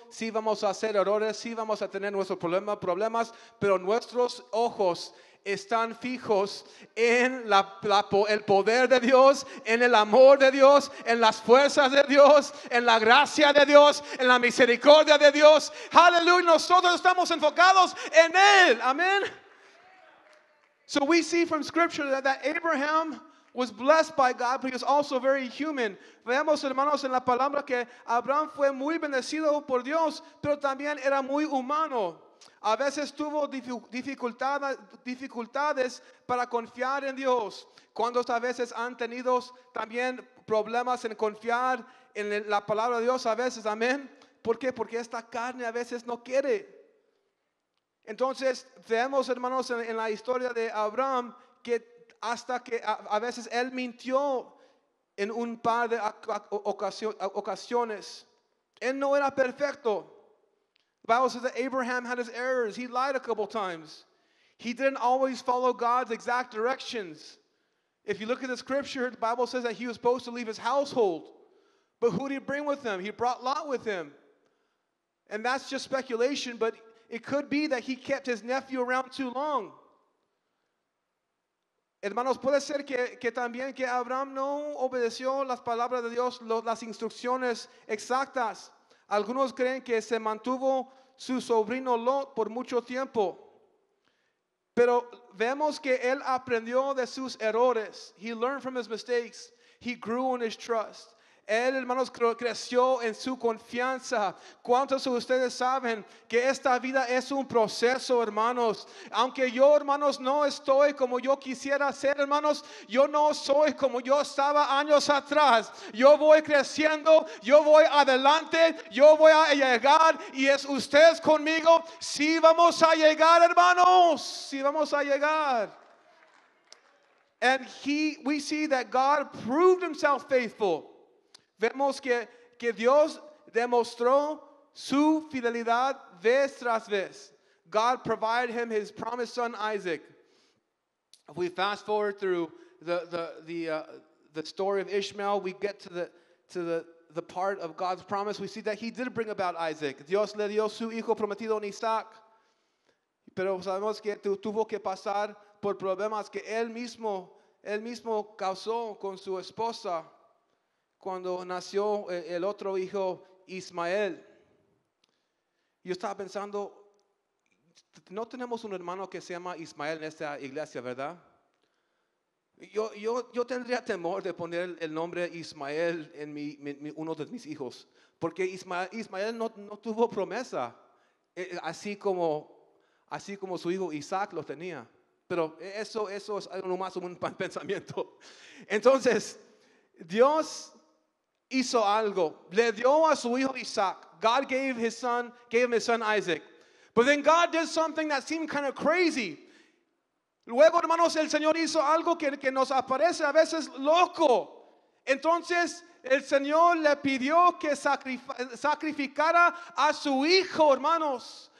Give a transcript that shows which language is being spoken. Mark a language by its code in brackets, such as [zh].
[es] Sí vamos a hacer errores, sí vamos a tener nuestros problemas, pero nuestros ojos están fijos en el poder de Dios, en el amor de Dios, en las fuerzas de Dios, en la gracia de Dios, en la misericordia de Dios. Aleluya, nosotros estamos enfocados en Él. Amén. [en] So we see from scripture that Abraham was blessed by God, but he was also very human. [es] Veamos, hermanos, en la palabra que Abraham fue muy bendecido por Dios, pero también era muy humano. A veces tuvo dificultades para confiar en Dios. ¿Cuántos a veces han tenido también problemas en confiar en la palabra de Dios? A veces, amén. ¿Por qué? Porque esta carne a veces no quiere. Entonces, vemos, hermanos, en la historia de Abraham, que hasta que a veces él mintió en un par de ocasiones. Él no era perfecto. [en] The Bible says that Abraham had his errors. He lied a couple times. He didn't always follow God's exact directions. If you look at the scripture, the Bible says that he was supposed to leave his household. But who did he bring with him? He brought Lot with him. And that's just speculation, but it could be that he kept his nephew around too long. [es] Hermanos, puede ser que también que Abraham no obedeció las palabras de Dios, las instrucciones exactas. Algunos creen que se mantuvo su sobrino Lot por mucho tiempo. Pero vemos que él aprendió de sus errores. [en] He learned from his mistakes. He grew in his trust. [es] Él, hermanos, creció en su confianza. ¿Cuántos de ustedes saben que esta vida es un proceso, hermanos? Aunque yo, hermanos, no estoy como yo quisiera ser, hermanos, yo no soy como yo estaba años atrás. Yo voy creciendo, yo voy adelante, yo voy a llegar, y es ustedes conmigo. Sí, vamos a llegar, hermanos. Sí, vamos a llegar. [en] And we see that God proved himself faithful. [es] Vemos que Dios demostró su fidelidad vez tras vez. [en] God provided him his promised son Isaac. If we fast forward through the story of Ishmael, we get to the part of God's promise. We see that he did bring about Isaac. [es] Dios le dio su hijo prometido en Isaac. Pero sabemos que tuvo que pasar por problemas que él mismo causó con su esposa. Cuando nació el otro hijo, Ismael. Yo estaba pensando, no tenemos un hermano que se llama Ismael en esta iglesia, ¿verdad? Yo tendría temor de poner el nombre Ismael en uno de mis hijos. Porque Ismael no tuvo promesa. Así como su hijo Isaac lo tenía. Pero eso es algo más un pensamiento. Entonces, Dios hizo algo, le dio a su hijo Isaac. [en] God gave him his son Isaac. But then God did something that seemed kind of crazy. [es] Luego, hermanos, el Señor hizo algo que nos aparece a veces loco. Entonces, el Señor le pidió que sacrificara a su hijo, hermanos.